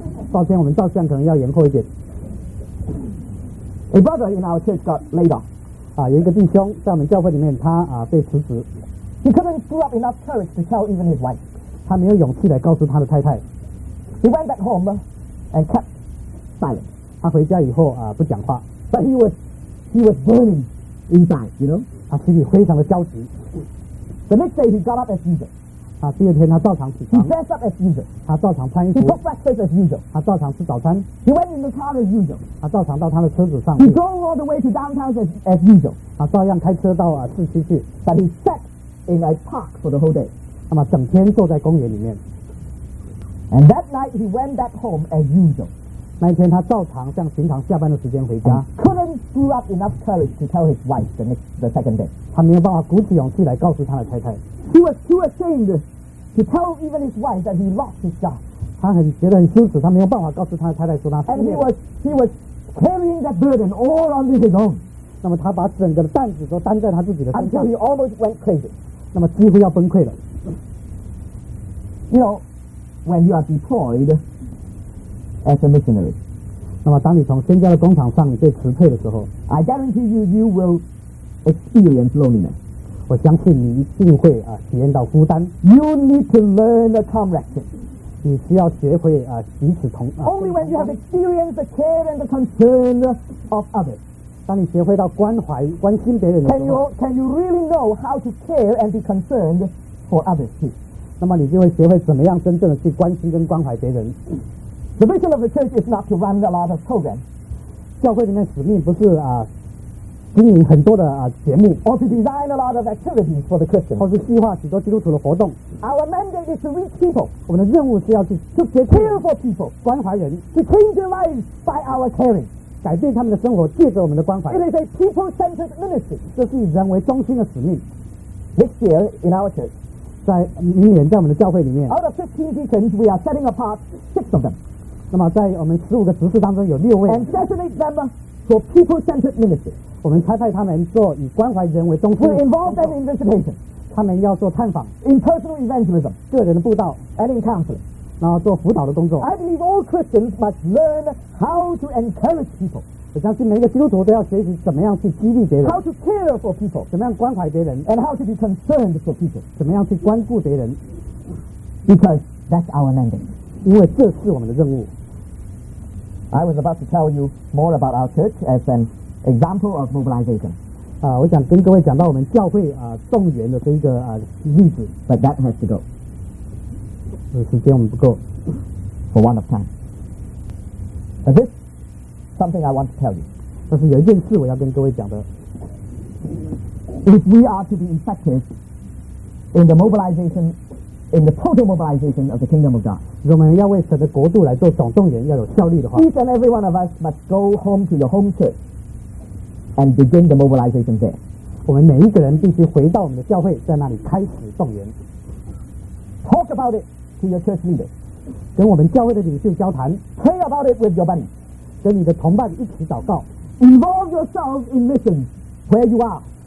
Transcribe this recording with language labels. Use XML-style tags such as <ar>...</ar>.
<zh>抱歉，我们照相可能要延后一点。</zh> <en>A brother in our church got laid off.</en> <zh>有一个弟兄在我们教会里面，他被辞职。</zh> <en>He couldn't screw up enough courage to tell even his wife.</en> <zh>他没有勇气来告诉他的太太。</zh> <en>He went back home and kept silent.</en> <zh>他回家以后不讲话。</zh> <en>But he was burning inside, you know.</en> <zh>他心里非常的焦急。</zh> <en>The next day he got up as usual.</en> <zh>第二天他照常起床。</zh> <en>He dressed up as usual.</en> <zh>他照常穿衣服。</zh> <en>He took breakfast as usual.</en> <zh>他照常吃早餐。</zh> <en>He went in the car as usual.</en> <zh>他照常到他的车子上。</zh> <en>He drove all the way to downtown as usual.</en> <zh>他照样开车到市区去。</zh> <en>But he sat in a park for the whole day.</en> <zh>那么整天坐在公园里面。</zh> <en>And that night he went back home as usual.</en> <zh>那一天他照常像平常下班的时间回家。</zh> <en>Couldn't screw up enough courage to tell his wife the second day.</en> <zh>他没有办法鼓起勇气来告诉他的太太。</zh> <en>He was too ashamed to tell even his wife that he lost his job.</en> <zh>他很觉得很羞耻，他没有办法告诉他的太太说他失业。</zh> <en>And he was carrying that burden all on his own.</en> <zh>那么他把整个的担子都担在他自己的身上。</zh> <en>Until he almost went crazy.</en> <zh>那么几乎要崩溃了。</zh> <en>You know. When you are deployed as a missionary,</en> <zh>那么当你从宣教的工厂上你被辞退的时候</zh> <en>，I guarantee you, you will experience loneliness.</en> <zh>我相信你一定会体验到孤单。</zh> <en>You need to learn the comradeship.</en> <zh>你需要学会彼此同。</zh> <en>Only when you have experienced the care and the concern of others,</en> <zh>当你学会到关怀关心别人的时候</zh> <en>，Can you really know how to care and be concerned for others too?</en> <zh>那么你就会学会怎么样真正的去关心跟关怀别人。</zh> <en>The mission of the church is not to run a lot of programs.</en> <zh>教会里面使命不是经营很多的节目</zh> <en>，or to design a lot of activities for the Christians，</en> <zh>或是计划许多基督徒的活动。</zh> <en>Our mandate is to reach people.</en> <zh>我们的任务是要去</zh> <en>care for people，</en> <zh>关怀人</zh> <en>，to change their lives by our caring，</en> <zh>改变他们的生活，借着我们的关怀。</zh> <en>It is a people-centered ministry.</en> <zh>这是以人为中心的使命。</zh> <en>This year in our church.</en> <zh>在明年在我们的教会里面</zh> <en>Out of 15 deacons, we are setting apart 6 of them</en> <zh>那么在我们15个执事当中有6位</zh> <en>And designate them for people-centered ministry</en> <zh>我们差派他们做以关怀人为中心</zh> <en>We involve them in visitation</en> <zh>他们要做探访</zh> <en>In personal evangelism</en> <zh>个人的布道</zh> <en>And in counseling</en> <zh>然后做辅导的工作</zh> <en>I believe all Christians must learn how to encourage people</en> <zh>我相信每一个基督徒都要学习怎么样去激励别人</zh> <en>How to care for people</en> <zh>怎么样关怀别人</zh> <en>And how to be concerned for people</en> <zh>怎么样去关顾别人</zh> <en>Because that's our mandate</en> <zh>因为这是我们的任务</zh> <en>I was about to tell you more about our church as an example of mobilization</en> <zh>我想跟各位讲到我们教会动员的这一个例子</zh> <en>But that has to go</en> <zh>时间我们不够</zh> <en>For want of time But thisSomething I want to tell you.</en> <zh>但是有一件事我要跟各位讲的。</zh> <en>If we are to be effective in the mobilization, in the total mobilization of the kingdom of God,</en> <zh>如果我们要为神的国度来做总动员，要有效力的话</zh> <en>，each and every one of us must go home to your home church and begin the mobilization there.</en> <zh>我们每一个人必须回到我们的教会，在那里开始动员。</zh> <en>Talk about it to your church leader.</en> <zh>跟我们教会的领袖交谈。</zh> <en>Pray about it with your buddy.</en> <zh>跟你的同伴一起祷告</zh> <en>Involve yourself in mission where you are</en>